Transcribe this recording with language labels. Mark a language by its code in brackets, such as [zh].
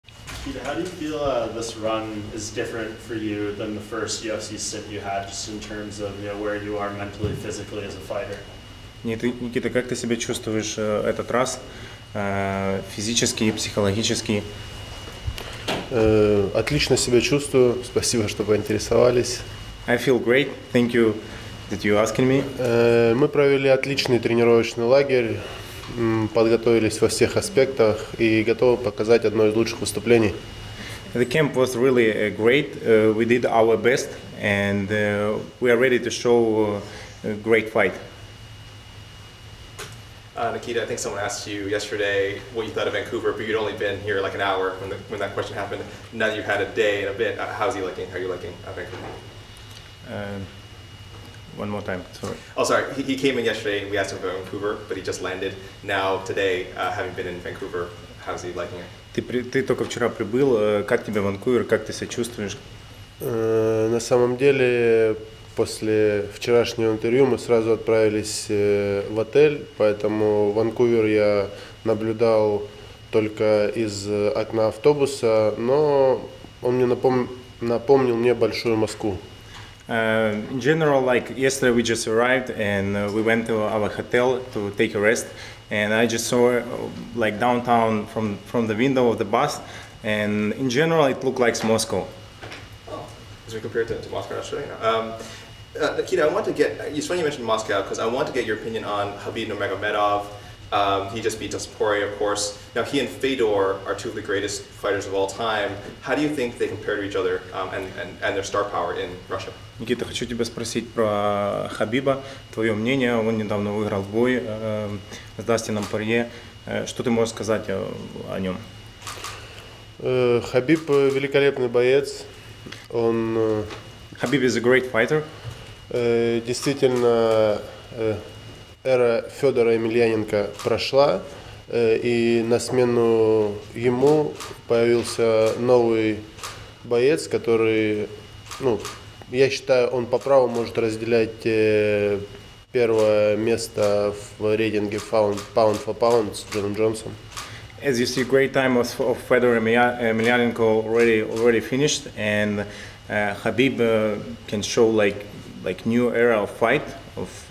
[en] Nikita, how do you feel this run is different for you than the first UFC stint you had, just in terms of, you know, where you are mentally, physically as a fighter? [ru] Никита, как ты себя чувствуешь этот раз, физически и психологически? Отлично себя чувствую. Спасибо, что поинтересовались. [en] I feel great. Thank you that you're asking me. [ru] Мы провели отличный тренировочный лагерь, подготовились во всех аспектах и готовы показать одно из лучших выступлений. [en] The camp was really great. We did our best and we are ready to show a great fight. Nikita, I think someone asked you yesterday what you thought of Vancouver, but you'd only been here like an hour when that question happened. Now that you've had a day and a bit, how's he liking? How are you liking Vancouver? One more time, sorry. Oh, sorry. He came in yesterday and we asked him about Vancouver, but he just landed. Now, today, having been in Vancouver, how's he liking it? [ru] Ты только вчера прибыл. Как тебе Ванкувер? Как ты себя чувствуешь? На самом деле, после вчерашнего интервью мы сразу отправились в отель, поэтому Ванкувер я наблюдал только из окна автобуса, но он мне напомнил мне большую Москву. [en] In general, like yesterday we just arrived and we went to our hotel to take a rest, and I just saw like downtown from the window of the bus, and in general it looked like Moscow. As we compared to Moscow yesterday. Nikita, I want to get, it's funny you mentioned Moscow, because I want to get your opinion on Khabib Nurmagomedov. He just beat Teixeira, of course. Now, he and Fedor are two of the greatest fighters of all time. How do you think they compare to each other and their star power in Russia? [ru] Никита, хочу тебя спросить про Хабиба, твое мнение. Он недавно выиграл бой с Дастином Порье. Что ты можешь сказать о нем? Хабиб великолепный боец. Он... [en] Хабиб is a great fighter. [ru] Действительно, эра Федора Емельяненко прошла, и на смену ему появился новый боец, который, ну, я считаю, он по праву может разделять первое место в рейтинге Pound for Pound с Джоном Джонсом. [en] As you see, great time of Fedor Emelianenko already finished, and Khabib can show like new era of fight of